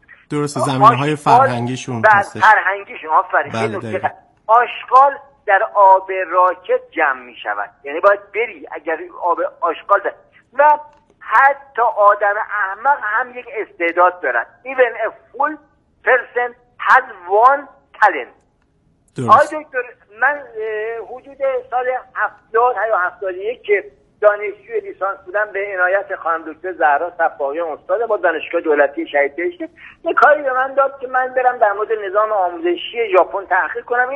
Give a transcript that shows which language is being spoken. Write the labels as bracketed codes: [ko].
[fa] درست زمین های فرهنگیشون هست. فرهنگیشون آفرین. آشغال در آب راکت جمع می شود، یعنی باید بری اگر آب آشغال ده. و حتی آدم احمق هم یک استعداد دارد. [en] Even a full person has one talent. [fa] آقای دکتر من حدود سال 70 یا 71 که دانشجوی لیسانس بودم به عنایت خانم دکتر زهرا صفاییان استاد با دانشگاه دولتی شهید بهشت یک کاری به من داد که من برم در مورد نظام آموزشی ژاپن تحقیق کنم.